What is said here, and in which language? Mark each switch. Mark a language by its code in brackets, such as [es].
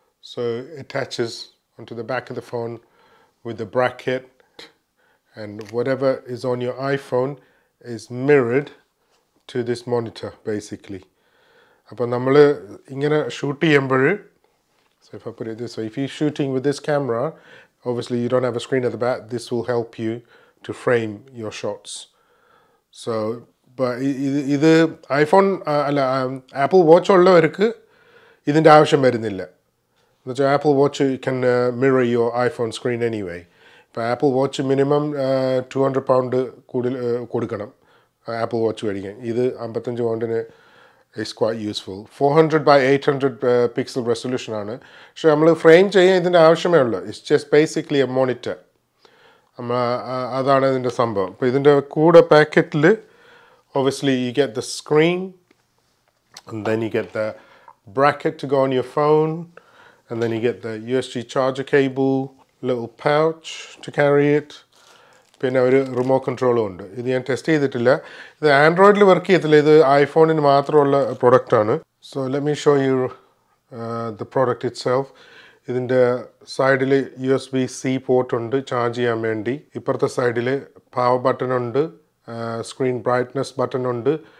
[en] So it attaches onto the back of the phone with the bracket, and whatever is on your iPhone is mirrored to this monitor basically. [ml] Appo nammal ingena shoot cheyumbol, [en] so if I put it this way, if you're shooting with this camera, obviously you don't have a screen at the back, this will help you to frame your shots. [ml] So ഇത് ഇത് iPhone അല്ല, apple watch ഉള്ളവർക്ക് ഇതിൻ്റെ ആവശ്യം വരുന്നില്ല. എന്ന് വെച്ചാൽ [en] Apple watch can mirror your iPhone screen anyway. [ml] ഇപ്പോൾ ആപ്പിൾ വാച്ച് മിനിമം 200 pounds കൂടുതൽ കൊടുക്കണം ആപ്പിൾ വാച്ച് മേടിക്കാൻ. ഇത് 55 pounds [en] Is quite useful. [ml] 400x800 pixel resolution ആണ്. പക്ഷേ നമ്മൾ ഫ്രെയിം ചെയ്യാൻ ഇതിൻ്റെ ആവശ്യമേ ഉള്ളൂ. [en] It's just basically a monitor. [ml] നമ്മൾ അതാണ് ഇതിൻ്റെ സംഭവം. അപ്പോൾ ഇതിൻ്റെ കൂടെ പാക്കറ്റിൽ [en] obviously you get the screen, and then you get the bracket to go on your phone, and then you get the USB charger cable, little pouch to carry it, [ml] പിന്നെ ഒരു റിമോട്ട് കൺട്രോളും ഉണ്ട്. ഇത് ഞാൻ ടെസ്റ്റ് ചെയ്തിട്ടില്ല. ഇത് ആൻഡ്രോയിഡിൽ work ചെയ്യത്തില്ല. ഇത് ഐഫോണിന് മാത്രമുള്ള പ്രൊഡക്റ്റാണ്. [en] So let me show you the product itself. [ml] ഇതിൻ്റെ സൈഡിൽ USB-C പോർട്ട് ഉണ്ട് ചാർജ് ചെയ്യാൻ വേണ്ടി. ഇപ്പുറത്തെ സൈഡിൽ പവർ ബട്ടൺ ഉണ്ട്, സ്ക്രീൻ ബ്രൈറ്റ്നെസ് ബട്ടൺ ഉണ്ട്.